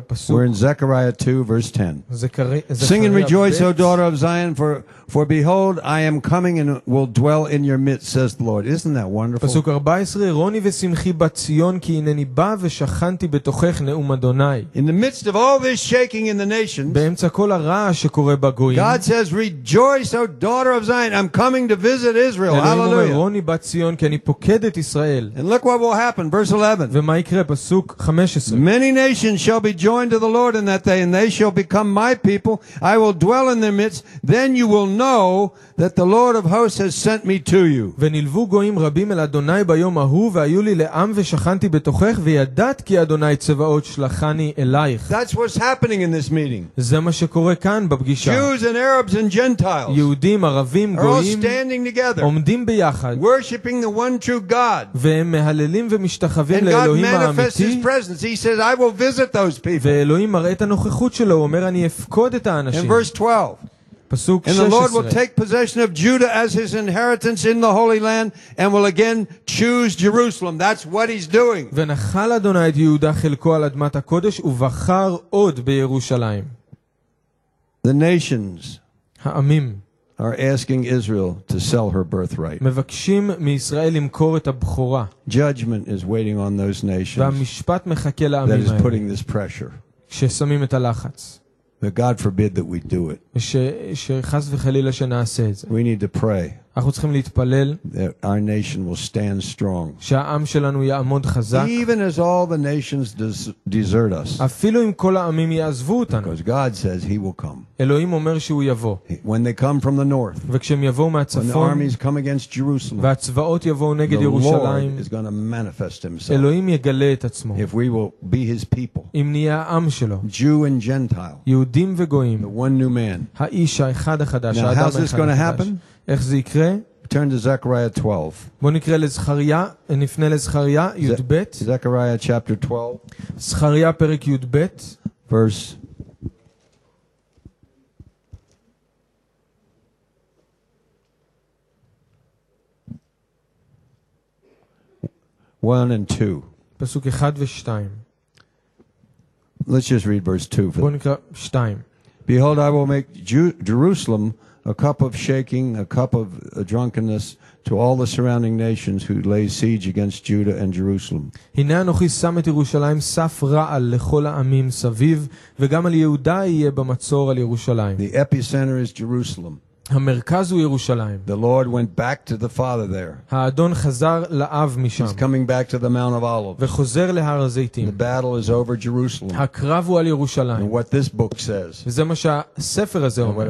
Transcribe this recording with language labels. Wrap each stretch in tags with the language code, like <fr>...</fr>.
<en>We're in Zechariah 2, verse 10. Sing and rejoice, O daughter of Zion, for behold, I am coming and will dwell in your midst, says the Lord. Isn't that wonderful?</en> <he>פסוק 14. רוני ושמחי בציון, כי הנני בא ושכנתי בתוכך, נאום אדוני.</he> <en>In the midst of all this shaking in the nations,</en> <he>באמצע כל הרע שקורה בגויים,</he> <en>God says, rejoice, O daughter of Zion, I'm coming to visit Israel. Hallelujah.</en> <he>רוני בציון, כי אני פוקד את ישראל.</he> <en>And look what will happen. Verse 11.</en> <he>ומה יקרה? פסוק 15.</he> <en>Many nations shall be joined to the Lord in that day, and they shall become my people. I will dwell in their midst. Then you will know that the Lord of hosts has sent me to you.</en> <he>ונלוו גויים רבים אל אדוני ביום ההוא, והיו לי לעם ושכנתי בתוכך, וידעת כי אדוני צבאות שלחני אלייך.</he> <en>That's what's happening in this meeting.</en> <he>זה מה שקורה כאן בפגישה.</he> <en>Jews and Arabs and Gentiles.</en> <he>יהודים, ערבים, גויים,</he> <en>standing together.</en> <he>עומדים ביחד.</he> <en>Worshiping the one true God.</en> <he>והם מהללים ומשתחווים לאלוהים האמיתי.</he> <en>And God manifests his presence. He says, I will visit those people.</en> <he>ואלוהים מראה את הנוכחות שלו, הוא אומר, אני אפקוד את האנשים.</he> <en>In verse 12. And the Lord will take possession of Judah as his inheritance in the Holy Land and will again choose Jerusalem. That's what he's doing.</en> <he>ונחל אדוני את יהודה חלקו על אדמת הקודש ובחר עוד בירושלים.</he> <en>The nations,</en> <he>העמים,</he> <en>are asking Israel to sell her birthright.</en> <he>מבקשים מישראל למכור את הבכורה.</he> <en>Judgment is waiting on those nations.</en> <he>והמשפט מחכה לעמים האלה.</he> <en>That is putting this pressure.</en> <he>ששמים את הלחץ.</he> <en>But God forbid that we do it.</en> <he>שחס וחלילה שנעשה את זה.</he> <en>We need to pray.</en> <he>אנחנו צריכים להתפלל.</he> <en>That our nation will stand strong.</en> <he>שהעם שלנו יעמוד חזק.</he> <en>Even as all the nations desert us.</en> <he>אפילו אם כל העמים יעזבו אותנו.</he> <en>Because God says he will come.</en> <he>אלוהים אומר שהוא יבוא.</he> <en>When they come from the north.</en> <he>וכשהם יבואו מהצפון.</he> <en>When armies come against Jerusalem.</en> <he>והצבאות יבואו נגד ירושלים.</he> <en>The Lord is going to manifest himself.</en> <he>אלוהים יגלה את עצמו.</he> <en>If we will be his people.</en> <he>אם נהיה העם שלו.</he> <en>Jew and Gentile.</en> <he>יהודים וגויים.</he> <en>The one new man.</en> <he>האיש האחד החדש.</he> <en>Now, how's this going to happen?</en> <he>איך זה יקרה?</he> <en>Turn to Zechariah 12.</en> <he>בוא נקרא לזכריה, נפנה לזכריה, י"ב.</he> <en>Zechariah chapter 12.</en> <he>זכריה פרק י"ב. פסוק 1 ו-2.</he> <en>Let's just read verse 2.</en> <he>בוא נקרא 2.</he> <en>Behold, I will make Jerusalem a cup of shaking, a cup of drunkenness to all the surrounding nations who lay siege against Judah and Jerusalem.</en> <he>הנה אנוכי שם את ירושלים סף רעל לכל העמים סביב, וגם על יהודה יהיה במצור על ירושלים.</he> <en>The epicenter is Jerusalem.</en> <he>המרכז הוא ירושלים.</he> <en>The Lord went back to the Father there.</en> <he>האדון חזר לאב משם.</he> <en>He's coming back to the Mount of Olives.</en> <he>וחוזר להר הזיתים.</he> <en>The battle is over Jerusalem.</en> <he>הקרב הוא על ירושלים.</he> <en>And what this book says.</en> <he>וזה מה שהספר הזה אומר.</he>